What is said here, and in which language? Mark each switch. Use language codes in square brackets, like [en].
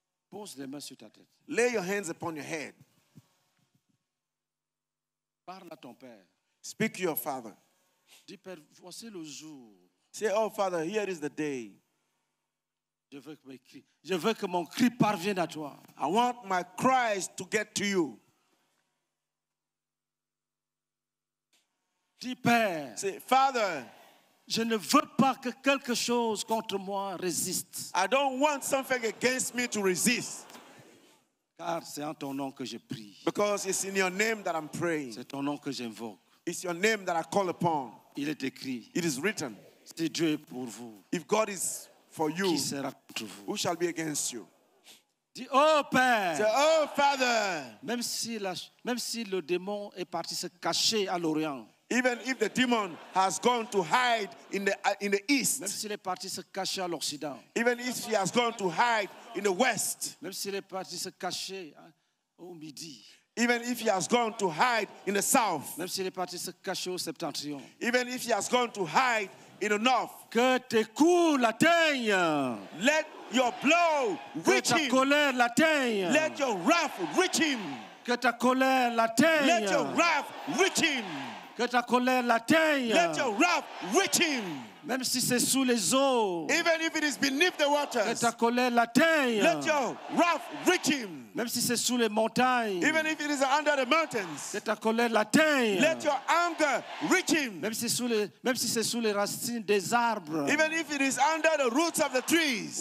[fr] Pose les mains sur ta tête. [en] Lay your hands upon your head. [fr] Parle à ton Père. [en] Speak to your Father. [fr] Dis, Père, voici le jour. [en] Say, oh, Father, here is the day. [fr] Je veux que mon cri parvienne à toi. [en] I want my cries to get to you. [fr] Dis, Père, [en] say, Father, [fr] je ne veux pas que quelque chose contre moi résiste. [en] I don't want something against me to resist. [fr] Car c'est en ton nom que je prie. [en] Because it's in your name that I'm praying. [fr] C'est ton nom que j'invoque. [en] It's your name that I call upon. [fr] Il est écrit. [en] It is written. [fr] Si Dieu est pour vous. [en] If God is for you, [fr] qui sera contre vous? [en] Who shall be against you? [fr] Dis, oh Père, [en] say, oh Father, [fr] même si le démon est parti se cacher à l'Orient, [en] even if the demon has gone to hide in the east, [fr] même s'il est parti se cacher à l'Occident, [en] even if he has gone to hide in the west, [fr] même s'il est parti se cacher au midi, [en] even if he has gone to hide in the south, [fr] même s'il est parti se cacher au septentrion, [en] even if he has gone to hide in the north, [fr] que tes coups l'atteignent, [en] let your blow reach him, [fr] que ta colère l'atteigne, [en] let your wrath reach him, [fr] que ta colère l'atteigne, [en] let your wrath reach him. [fr] Que ta colère l'atteigne. [en] Let your wrath reach him. [fr] Même si c'est sous les eaux. [en] Even if it is beneath the waters. [fr] Que ta colère l'atteigne. [en] Let your wrath reach him. [fr] Même si c'est sous les montagnes. [en] Even if it is under the mountains. [fr] Que ta colère l'atteigne. [en] Let your anger reach him. [fr] Même si c'est sous les racines des arbres. [en] Even if it is under the roots of the trees.